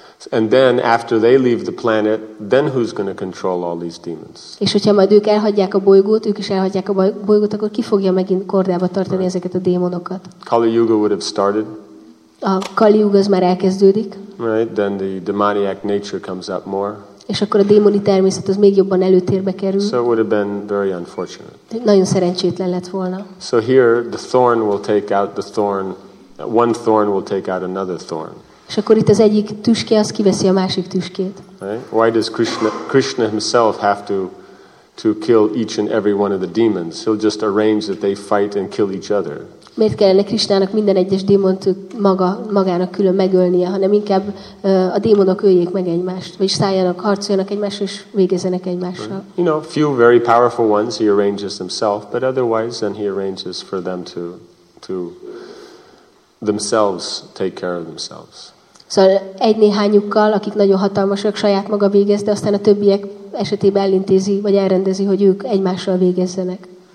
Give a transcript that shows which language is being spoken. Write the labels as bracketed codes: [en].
[en] And then after they leave the planet, then who's going to control all these demons? [hu] És hogyha majd ők elhagyják a bolygót, ők is elhagyják a bolygót, akkor ki fogja megint kordába tartani right. ezeket a démonokat? [en] Kali Yuga would have started. [hu] A Kali Yuga az már elkezdődik. [en] Right, then the demoniac nature comes up more. [hu] És akkor a démoni természet az még jobban előtérbe kerül. [en] So it would have been very unfortunate. [hu] Nagyon szerencsétlen lett volna. [en] So here the thorn will take out the thorn. One thorn will take out another thorn. [hu] És akkor itt az egyik tüske az kiveszi a másik tüskét. [en] Right? Why does Krishna himself have to kill each and every one of the demons? He'll just arrange that they fight and kill each other. [hu] Miért kellene Krishnának minden egyes démont magának külön megölnie, hanem inkább a démonok öljék meg egymást, vagy szálljanak, harcoljanak egymást és végezzenek egymással. [en] Right. Few very powerful ones he arranges himself, but otherwise then he arranges for them to themselves take care of themselves. [hu] Szóval egy néhányukkal, akik nagyon hatalmasak, saját maga végez, de aztán a többiek esetében elintézi, vagy elrendezi, hogy ők egymással végezzenek.